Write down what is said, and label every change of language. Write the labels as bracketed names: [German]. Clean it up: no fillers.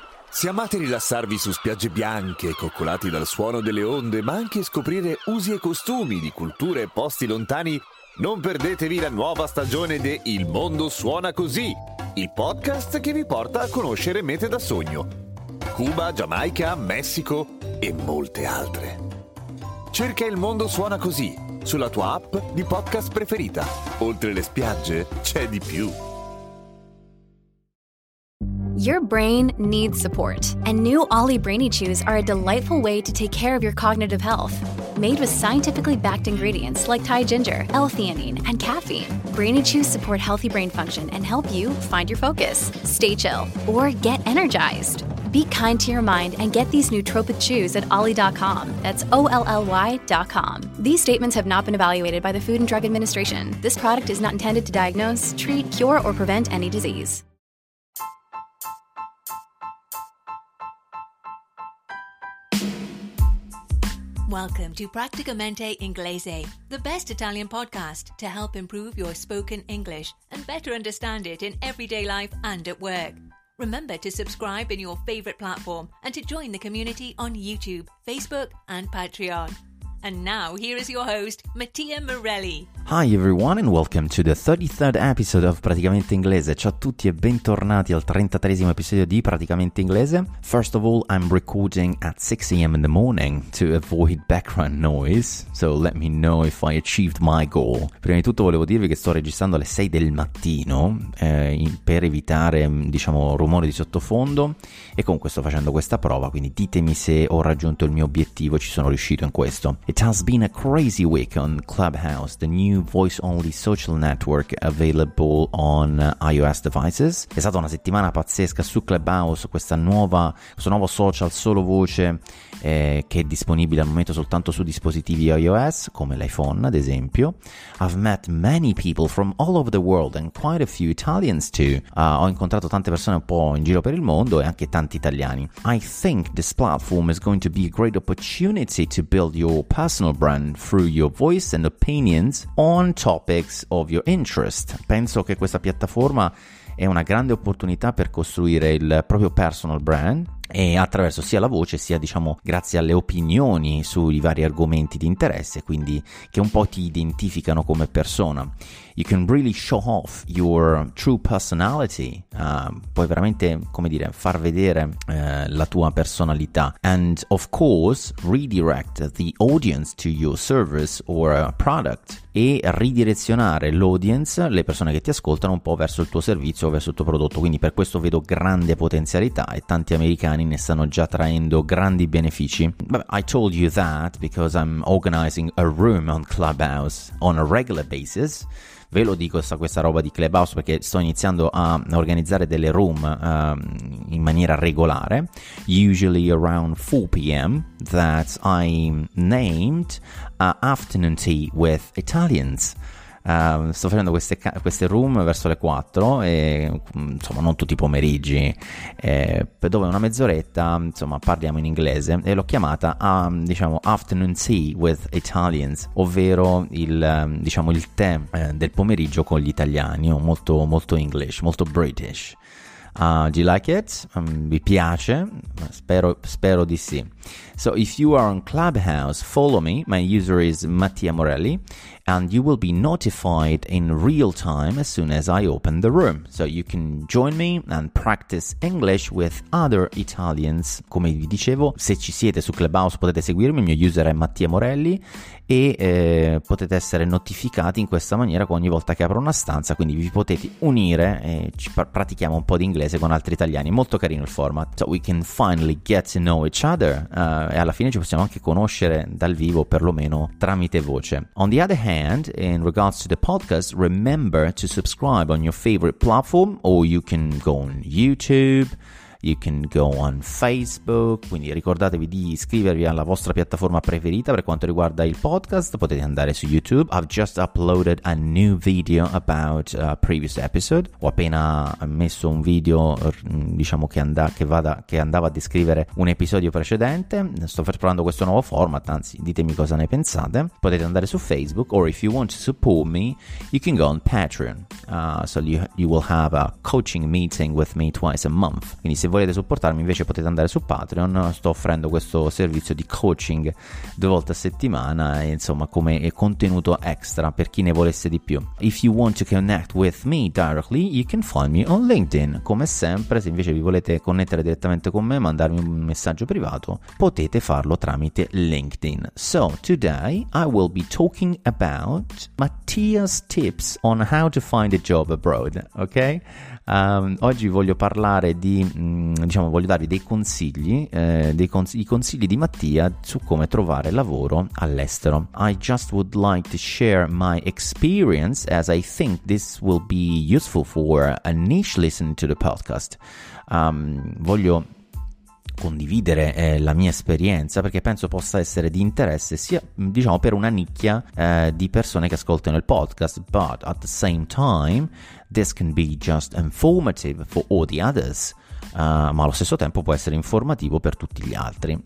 [Italian] Se amate rilassarvi su spiagge bianche, coccolati dal suono delle onde, ma anche scoprire usi e costumi di culture e posti lontani, non perdetevi la nuova stagione di Il Mondo Suona Così, il podcast che vi porta a conoscere mete da sogno. Cuba, Giamaica, Messico e molte altre. Cerca Il Mondo Suona Così sulla tua app di podcast preferita. Oltre le spiagge, c'è di più. [English] Your brain needs support, and new Ollie Brainy Chews are a delightful way to take care of your cognitive health. Made with scientifically backed ingredients like Thai ginger, L-theanine, and caffeine, Brainy Chews support healthy brain function and help you find your focus, stay chill, or get energized. Be kind to your mind and get these nootropic chews at Ollie.com. That's Olly.com. These statements have not been evaluated by the Food and Drug Administration. This product is not intended to diagnose, treat, cure, or prevent any disease. Welcome to Practicamente Inglese, the best Italian podcast to help improve your spoken English and better understand it in everyday life and at work. Remember to subscribe in your favorite platform and to join the community on YouTube, Facebook and Patreon. And now here is your host, Mattia Morelli. Hi everyone and welcome to the 33rd episode of Praticamente Inglese. [Italian] Ciao a tutti e bentornati al 33esimo episodio di Praticamente Inglese. [English] First of all, I'm recording at 6 a.m. in the morning to avoid background noise, so let me know if I achieved my goal. [Italian] Prima di tutto volevo dirvi che sto registrando alle 6 del mattino per evitare, diciamo, rumore di sottofondo, e comunque sto facendo questa prova, quindi ditemi se ho raggiunto il mio obiettivo, ci sono riuscito in questo. [English] It has been a crazy week on Clubhouse, the new voice-only social network available on iOS devices. [Italian] È stata una settimana pazzesca su Clubhouse, questo nuovo social solo voce che è disponibile al momento soltanto su dispositivi iOS, come l'iPhone ad esempio. [English] I've met many people from all over the world and quite a few Italians too. [Italian] Ho incontrato tante persone un po' in giro per il mondo e anche tanti italiani. [English] I think this platform is going to be a great opportunity to build your personal brand through your voice and opinions on topics of your interest. [Italian] Penso che questa piattaforma è una grande opportunità per costruire il proprio personal brand, e attraverso sia la voce sia, diciamo, grazie alle opinioni sui vari argomenti di interesse, quindi che un po' ti identificano come persona. [English] You can really show off your true personality. [Italian] Puoi veramente, come dire, far vedere la tua personalità. [English] And of course, redirect the audience to your service or product. [Italian] E ridirezionare l'audience, le persone che ti ascoltano, un po' verso il tuo servizio o verso il tuo prodotto. Quindi per questo vedo grande potenzialità e tanti americani ne stanno già traendo grandi benefici. [English] But I told you that because I'm organizing a room on Clubhouse on a regular basis. [Italian] Ve lo dico questa roba di Clubhouse perché sto iniziando a organizzare delle room in maniera regolare, [English] usually around 4 p.m. that I named afternoon tea with Italians. [Italian] Sto facendo queste room verso le 4 e, insomma, non tutti i pomeriggi, dove una mezz'oretta, insomma, parliamo in inglese, e l'ho chiamata diciamo [English] afternoon tea with Italians, [Italian] ovvero il tè del pomeriggio con gli italiani, molto molto English, molto British. [English] Do you like it? [Italian] Vi piace? Spero di sì. [English] So if you are on Clubhouse, follow me. My user is Mattia Morelli and you will be notified in real time as soon as I open the room. So you can join me and practice English with other Italians. [Italian] Come vi dicevo, se ci siete su Clubhouse potete seguirmi, il mio user è Mattia Morelli, e potete essere notificati in questa maniera ogni volta che apro una stanza, quindi vi potete unire e ci pratichiamo un po' di inglese con altri italiani. Molto carino il format. [English] So we can finally get to know each other. [Italian] E alla fine ci possiamo anche conoscere dal vivo, perlomeno tramite voce. [English] On the other hand, in regards to the podcast, remember to subscribe on your favorite platform, or you can go on YouTube, you can go on Facebook. [Italian] Quindi ricordatevi di iscrivervi alla vostra piattaforma preferita per quanto riguarda il podcast. Potete andare su YouTube. [English] I've just uploaded a new video about a previous episode. [Italian] Ho appena messo un video, diciamo, che andava a descrivere un episodio precedente. Sto preparando questo nuovo format, anzi ditemi cosa ne pensate. Potete andare su Facebook, [English] or if you want to support me you can go on Patreon. So you will have a coaching meeting with me twice a month. [Italian] Quindi se volete supportarmi invece potete andare su Patreon. Sto offrendo questo servizio di coaching 2 volte a settimana, insomma, come contenuto extra per chi ne volesse di più. [English] If you want to connect with me directly, you can find me on LinkedIn. [Italian] Come sempre, se invece vi volete connettere direttamente con me, mandarmi un messaggio privato, potete farlo tramite LinkedIn. [English] So, today I will be talking about Mattia's tips on how to find a job abroad, ok? [Italian] Oggi voglio parlare di, diciamo, voglio darvi dei consigli, i consigli di Mattia su come trovare lavoro all'estero. [English] I just would like to share my experience as I think this will be useful for a niche listening to the podcast. [Italian] Voglio condividere la mia esperienza perché penso possa essere di interesse sia, diciamo, per una nicchia di persone che ascoltano il podcast, [English] but at the same time this can be just informative for all the others, [Italian] ma allo stesso tempo può essere informativo per tutti gli altri.